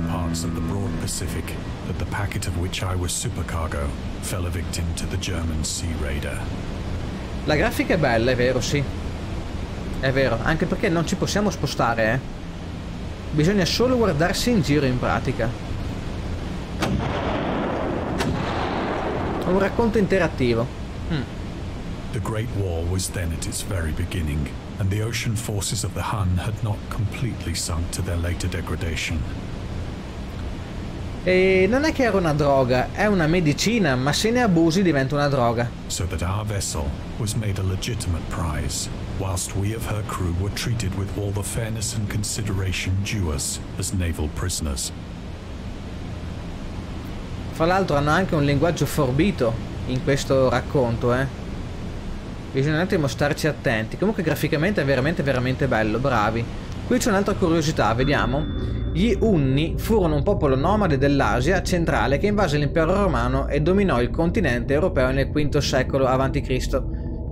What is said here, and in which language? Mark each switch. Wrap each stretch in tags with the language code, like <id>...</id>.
<en>Of the broad Pacific, that the packet of which I was supercargo fell a victim to the German sea raider.</en> <it>La grafica è bella, è vero, sì. È vero, anche perché non ci possiamo spostare, eh. Bisogna solo guardarsi in giro in pratica. Un racconto interattivo.</it> <en>The Great War was then at its very beginning, and the ocean forces of the Hun had not completely sunk to their later degradation.</en> <it>E non è che era una droga, è una medicina, ma se ne abusi diventa una droga.</it> <en>So that our vessel was made a legitimate prize, whilst we of her crew were treated with all the fairness and consideration due us as naval prisoners.</en> <it>Fra l'altro hanno anche un linguaggio forbito in questo racconto, eh. Bisogna attimo starci attenti. Comunque graficamente è veramente veramente bello, bravi. Qui c'è un'altra curiosità, vediamo. Gli Unni furono un popolo nomade dell'Asia centrale che invase l'impero romano e dominò il continente europeo nel V secolo avanti Cristo.</it>